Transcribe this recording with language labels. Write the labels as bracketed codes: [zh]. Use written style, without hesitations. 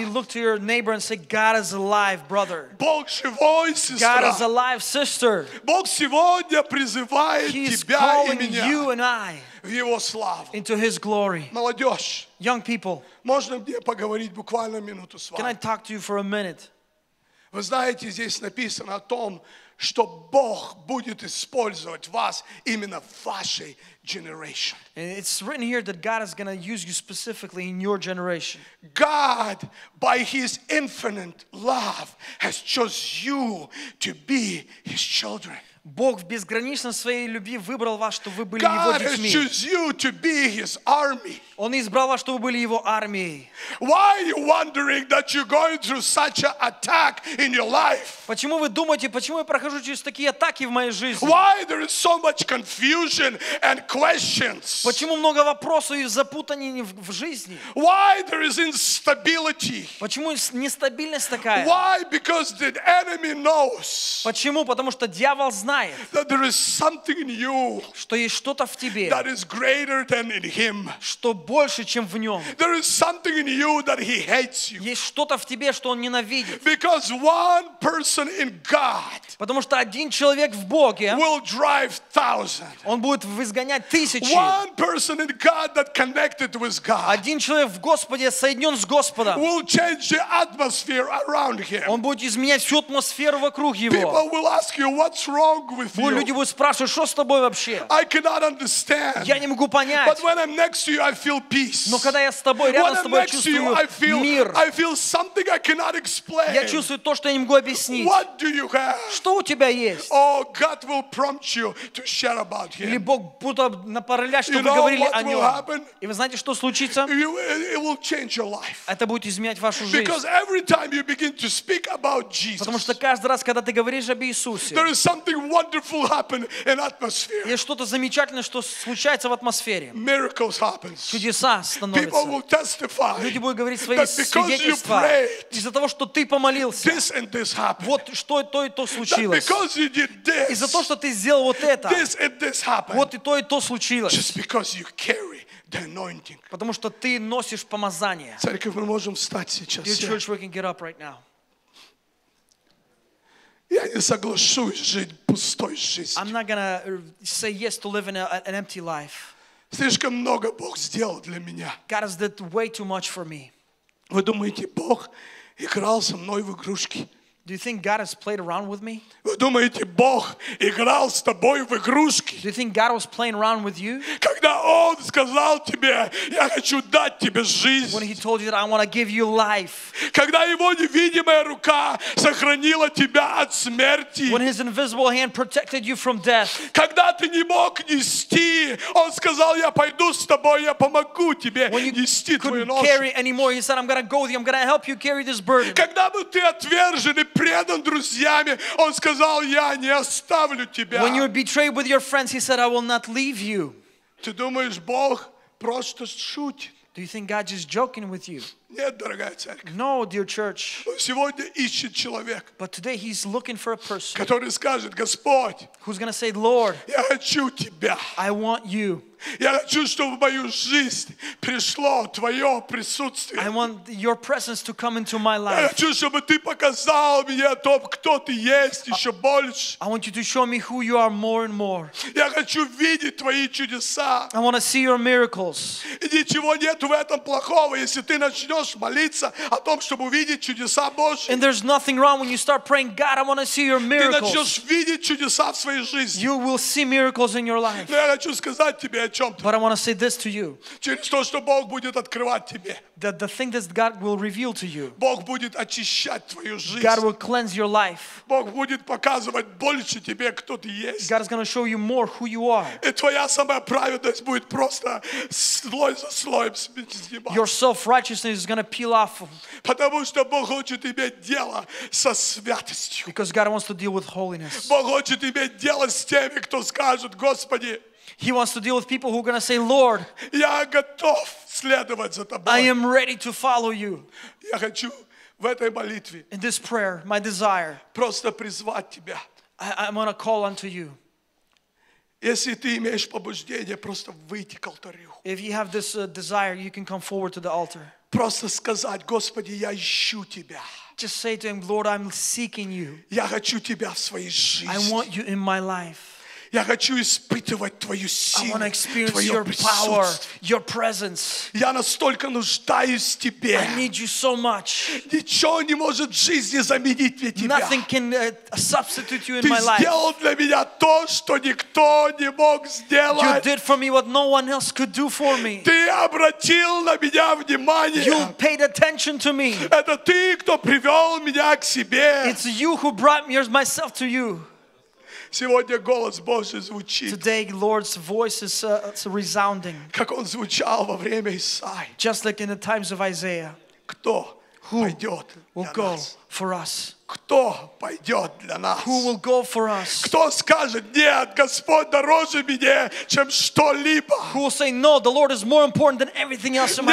[en] Maybe look to your neighbor and say, God is alive, brother. [ru] Бог живой, сестра. [en] God is alive, sister. [ru] Бог сегодня призывает тебя и меня [en] you and I [ru] в Его славу. [en] Into His glory. [ru] Молодежь. [en] Young people. [ru] Можно мне поговорить буквально минуту с вами? [en] Can I talk to you for a minute? [ru] Вы знаете, здесь написано о том, что Бог будет использовать вас именно в вашей generation. [en] And it's written here that God is going to use you specifically in your generation. God, by His infinite love, has chosen you to be His children. [ru] Бог в безграничном своей любви выбрал вас, чтобы вы были Его детьми. [en] Chose you to be His army. [ru] Он избрал вас, чтобы вы были Его армией. [en] Why are you wondering that you're going through such an attack in your life? [ru] Почему вы думаете, почему я прохожу через такие атаки в моей жизни? [en] Why there is so much confusion and questions? [ru] Почему много вопросов и запутаний в жизни? [en] Why there is instability? [ru] Почему нестабильность такая? [en] Why? Because the enemy knows. [ru] Почему? Потому что дьявол знает, [en] that there is something in you, [ru] что есть что-то в тебе, [en] that is greater than in him, [ru] что больше, чем в нем. [en] There is something in you that he hates you, [ru] есть что-то в тебе, что он ненавидит. [en] Because one person in God, [ru] потому что один человек в Боге, [en] will drive thousands, [ru] он будет изгонять тысячи. [en] One person in God that connected with God, [ru] один человек в Господе соединен с Господом, [en] will change the atmosphere around him, [ru] он будет изменять всю атмосферу вокруг его. [en] People will ask you, what's wrong? [ru] Люди будут спрашивать, что с тобой вообще? [en] I cannot understand. [ru] Я не могу понять. [en] But when I'm next to you, I feel peace. [ru] Но когда я с тобой, рядом [en] when [ru] с тобой, чувствую [en] you, [ru] мир. [en] I feel something I cannot explain. [ru] Я чувствую то, что я не могу объяснить. [en] What do you have? [ru] Что у тебя есть? [en] Oh, God will prompt you to share about him. [ru] Или Бог будет направлять, чтобы [en] you know [ru] говорили [en] what [ru] о нем. [en] Will happen? [ru] И вы знаете, что случится? [en] You, it will change your life. [ru] Это будет изменять вашу жизнь. [en] Because every time you begin to speak about Jesus, [ru] потому что каждый раз, когда ты говоришь об Иисусе, [en] there is something wonderful happen in atmosphere. [ru] Есть что-то замечательное, что случается в атмосфере. [en] Miracles happen. [ru] Чудеса становятся. [en] People will testify. [ru] Люди будут говорить свои свидетельства. Из-за того, что ты помолился. [en] This and this happened. [ru] Вот что то и то случилось. [en] Because you did this. [ru] Из-за того, что ты сделал вот это. [en] This and this happened. [ru] Вот и то и то случилось. [en] Just because you carry. The anointing. [ru] Потому что ты носишь помазание. Церковь, мы можем встать сейчас. [en] Your church, we can get up right now. [ru] Я не соглашусь жить пустой жизнью. [en] I'm not gonna say yes to live in an empty life. [ru] Слишком много Бог сделал для меня. [en] God has done way too much for me. [ru] Вы думаете, Бог играл со мной в игрушки? [en] Do you think God has played around with me? [ru] Вы думаете, Бог играл с тобой в игрушки? [en] Do you think God was playing around with you? [ru] Когда Он сказал тебе, я хочу дать тебе жизнь. [en] When He told you that I want to give you life. [ru] Когда Его невидимая рука сохранила тебя от смерти. [en] When His invisible hand protected you from death. [ru] Когда ты не мог нести, Он сказал, я пойду с тобой, я помогу тебе нести твою ношу. [en] When you couldn't carry anymore, He said, I'm going to go with you, I'm going to help you carry this burden. [ru] Когда бы ты отвержен и предан друзьями, Он сказал, я не оставлю тебя. [en] When you were betrayed with your friends, He said, I will not leave you. [ru] Ты думаешь, Бог просто шутит? [en] Do you think God is joking with you? [ru] Нет, дорогая церковь. [en] No, dear church. [ru] Он сегодня ищет человека. [en] But today He's looking for a person. [ru] Который скажет, Господь. [en] Who's going to say, Lord. [ru] Я хочу тебя. [en] I want you. [ru] Я хочу, чтобы в мою жизнь пришло твое присутствие. [en] I want your presence to come into my life. [ru] Я хочу, чтобы ты показал мне то, кто ты есть еще больше. [en] I want you to show me who you are more and more. [ru] Я хочу видеть твои чудеса. [en] I want to see your miracles. [ru] И ничего нет в этом плохого, если ты начнешь молиться о том, чтобы увидеть чудеса Божьи. [en] And there's nothing wrong when you start praying, God, I want to see your miracles. [ru] Ты начнешь видеть чудеса в своей жизни. [en] You will see miracles in your life. [ru] Но я хочу сказать тебе, [en] but I want to say this to you. [ru] Через то, что Бог будет открывать тебе. [en] That the thing that God will reveal to you. [ru] Бог будет очищать твою жизнь. [en] God will cleanse your life. [ru] Бог будет показывать больше тебе, кто ты есть. [en] God is going to show you more who you are. [ru] И твоя самая праведность будет просто слой за слоем сниматься. [en] Your self-righteousness is going to peel off. [ru] Потому что Бог хочет иметь дело со святостью. [en] Because God wants to deal with holiness. [ru] Бог хочет иметь дело с теми, кто скажет, Господи. [en] He wants to deal with people who are going to say, Lord, [ru] я готов следовать за тобой. [en] I am ready to follow you. [ru] Я хочу в этой молитве. [en] In this prayer, my desire. [ru] Просто призвать тебя. [en] I'm going to call unto you. [ru] Если ты имеешь побуждение, просто выйти к алтарю. [en] If you have this desire, you can come forward to the altar. [ru] Просто сказать, Господи, я ищу тебя. [en] Just say to him, Lord, I'm seeking you. [ru] Я хочу тебя в своей жизни. [en] I want you in my life. [ru] Я хочу испытывать твою силу, [en] I want to experience your power, your presence. [ru] Я настолько нуждаюсь в тебе. [en] I need you so much. [ru] Ничего не может в жизни заменить мне тебя. [en] Nothing can substitute you in [ru] ты [en] my life. [ru] Ты сделал для меня то, что никто не мог сделать. [en] You did for me what no one else could do for me. [ru] Ты обратил на меня внимание. [en] You paid attention to me. [ru] Это ты, кто привел меня к себе. [en] It's you who brought me myself to you. [ru] Сегодня голос Божий звучит. [en] Today, Lord's voice is resounding. [ru] Как он звучал во время Исаии. [en] Just like in the times of Isaiah. [ru] Кто [en] Who [ru] пойдет [en] will [ru] для [en] go [ru] нас? [en] For us? [ru] Кто пойдет для нас? [en] Who will go for us? [ru] Кто скажет, нет, Господь дороже мне, чем что-либо? [en] Who will say, no, the Lord is more important than everything else in my